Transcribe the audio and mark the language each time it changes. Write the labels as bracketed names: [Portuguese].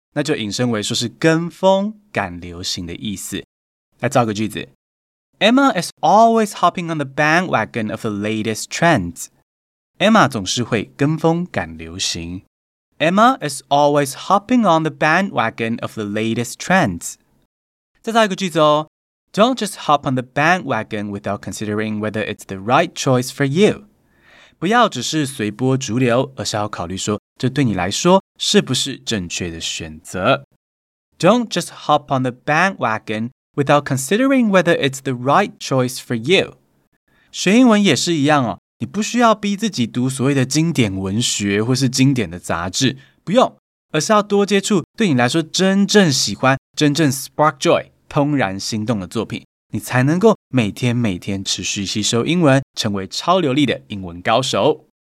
[Chinese] 那就引申为说是跟风赶流行的意思。来造个句子。 [English] Emma is always hopping on the bandwagon of the latest trends. [Chinese] Emma 总是会跟风赶流行。 [English] Emma is always hopping on the bandwagon of the latest trends. [Chinese] 再造一个句子哦。 [English] Don't just hop on the bandwagon without considering whether it's the right choice for you. [Chinese] 不要只是随波逐流，而是要考虑说这对你来说是不是正确的选择。 [English] Don't just hop on the bandwagon without considering whether it's the right choice for you. [Chinese] 学英文也是一样哦，你不需要逼自己读所谓的经典文学或是经典的杂志，不用，而是要多接触对你来说真正喜欢、真正 [English] spark joy、 [Chinese] 怦然心动的作品，你才能够每天每天持续吸收英文，成为超流利的英文高手。